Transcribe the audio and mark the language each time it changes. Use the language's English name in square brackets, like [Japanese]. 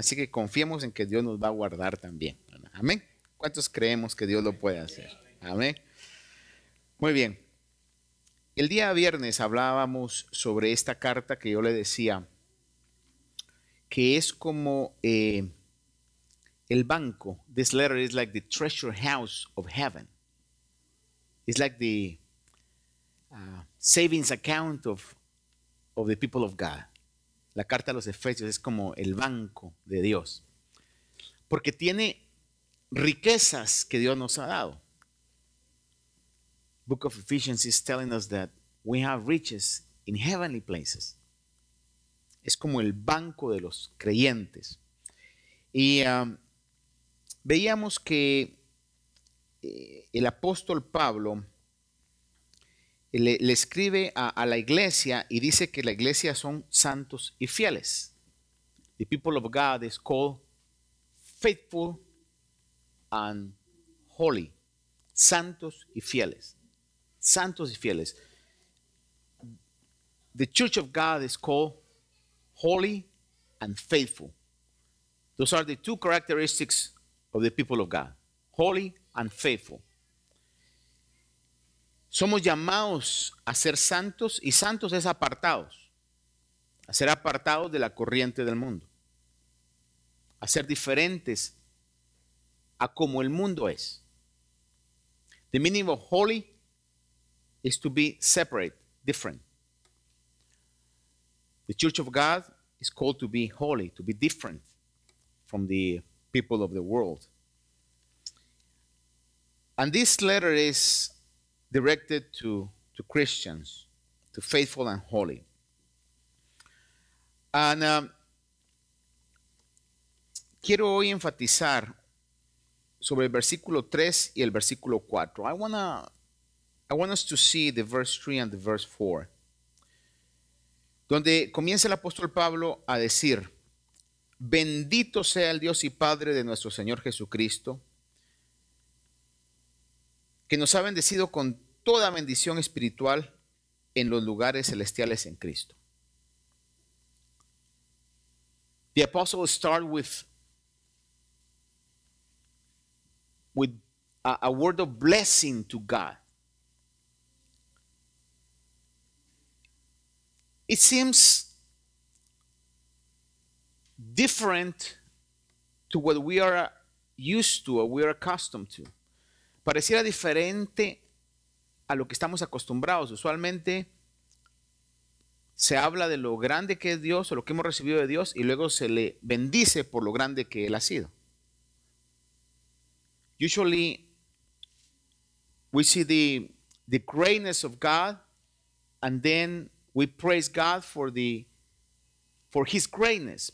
[Spanish] Así que confiemos en que Dios nos va a guardar también, ¿verdad? Amén. ¿Cuántos creemos que Dios lo puede hacer? Amén. Muy bien. El día viernes hablábamos sobre esta carta que yo le decía, que es como el banco. [English] This letter is like the treasure house of heaven. It's like the savings account of the people of God. [Spanish] La carta a los Efesios es como el banco de Dios, porque tiene riquezas que Dios nos ha dado. [English] Book of Ephesians is telling us that we have riches in heavenly places. [Spanish] Es como el banco de los creyentes. Y veíamos que el apóstol Pablo le escribe a la iglesia y dice que la iglesia son santos y fieles. [English] The people of God is called faithful and holy. [Spanish] Santos y fieles. Santos y fieles. [English] The church of God is called holy and faithful. Those are the two characteristics of the people of God. Holy and faithful. [Spanish] Somos llamados a ser santos, y santos es apartados. A ser apartados de la corriente del mundo. A ser diferentes a como el mundo es. [English] The meaning of holy is to be separate, different. The church of God is called to be holy, to be different from the people of the world. And this letter is directed to Christians, to faithful and holy. [Spanish] And quiero hoy enfatizar sobre el versículo 3 y el versículo 4. [English] I want us to see the verse 3 and the verse 4. [Spanish] Donde comienza el apóstol Pablo a decir: bendito sea el Dios y Padre de nuestro Señor Jesucristo, que nos ha bendecido con toda bendición espiritual en los lugares celestiales en Cristo. [English] The apostle starts with a word of blessing to God. It seems different to what we are used to or we are accustomed to. [Spanish] Pareciera diferente a lo que estamos acostumbrados. Usualmente se habla de lo grande que es Dios, o lo que hemos recibido de Dios, y luego se le bendice por lo grande que Él ha sido. [English] Usually we see the greatness of God, and then we praise God for His greatness.